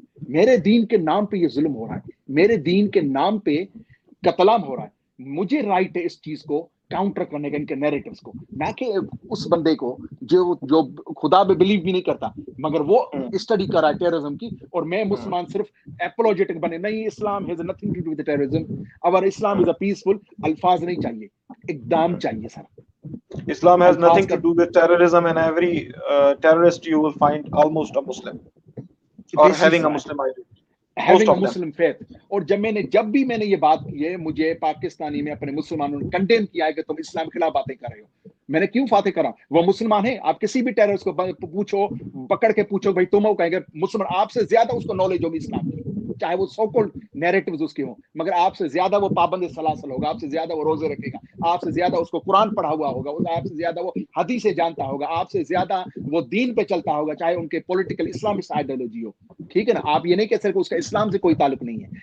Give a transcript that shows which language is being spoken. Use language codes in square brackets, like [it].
[hi] मेरे दीन के नाम पे ये जुल्म हो रहा है, मेरे दीन के नाम पे कतलाम हो रहा है, मुझे राइट है इस चीज को काउंटर करने का, इनके नैरेटिव्स को, ना कि उस बंदे को जो जो खुदा पे बिलीव भी नहीं करता मगर वो स्टडी कर रहा है टेररिज्म की, और मैं मुसलमान सिर्फ एपोलोजेटिक बने, नहीं, [en] Islam has nothing to do with terrorism, our Islam is a peaceful, [hi] अल्फाज नहीं चाहिए, एकदम चाहिए sir, [en] Islam has nothing to do with terrorism, and every terrorist you will find almost a Muslim or having a Muslim identity, having a Muslim faith. [hi] Aur jab maine jab bhi maine ye baat ki hai, mujhe Pakistani mein apne Muslimon ne condemn kiya hai ki tum Islam ke khilaf baatein kar rahe ho, maine kyun faate kara, wo Musliman hai, aap kisi bhi terrorist ko poocho, pakad ke poocho, bhai tum ho, kahenge Musliman, aap se zyada usko knowledge hogi Islam ki, चाहे वो so called narratives उसके हों, मगर आपसे ज्यादा वो पाबंद सलासल होगा, आपसे ज्यादा वो रोजे रखेगा, आपसे ज्यादा उसको कुरान पढ़ा हुआ होगा, आपसे ज्यादा वो हदीसें जानता होगा, आपसे ज्यादा वो दीन पे चलता होगा, चाहे उनके पॉलिटिकल इस्लामिस्ट आइडियोलॉजी हो, ठीक है ना, आप ये नहीं कह सकते उसका इस्लाम से कोई ताल्लुक नहीं है।